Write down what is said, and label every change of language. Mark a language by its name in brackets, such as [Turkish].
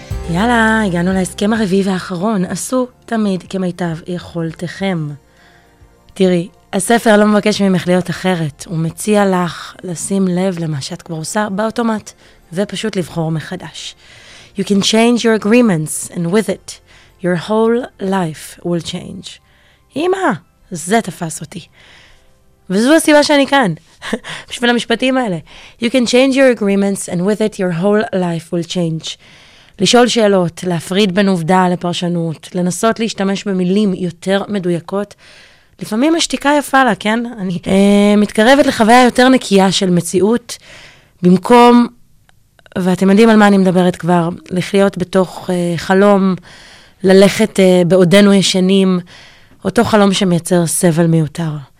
[Hebrew] יאללה, הגענו להסכם הרביעי והאחרון. עשו תמיד כמיטב יכולתכם. תראי, הספר לא מבקש ממך להיות אחרת. הוא מציע לך לשים לב למה שאת כבר עושה באוטומט. ופשוט לבחור מחדש. [English] You can change your agreements, and with it, your whole life will change. [Hebrew] אמא, זה תפס אותי. וזו הסיבה שאני כאן, בשביל המשפטים האלה. [English] You can change your agreements, and with it, your whole life will change. [Hebrew] לשאול שאלות, להפריד בין עובדה לפרשנות, לנסות להשתמש במילים יותר מדויקות, לפעמים השתיקה יפה לה, כן? אני מתקרבת לחוויה יותר נקייה של מציאות, במקום... ואתם יודעים על מה אני מדברת כבר, לחיות בתוך חלום, ללכת בעודנו ישנים, אותו חלום שמייצר סבל מיותר.